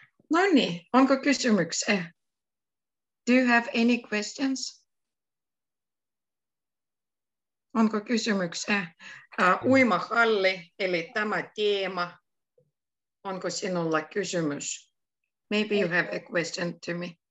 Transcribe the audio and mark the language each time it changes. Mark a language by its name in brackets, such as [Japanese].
[Finnish] No niin, onko kysymyksiä? [English] Do you have any questions? [Finnish] Onko kysymyksiä? Uimahalli, eli tämä teema. Onko sinulla kysymys? [English] Maybe you have a question to me.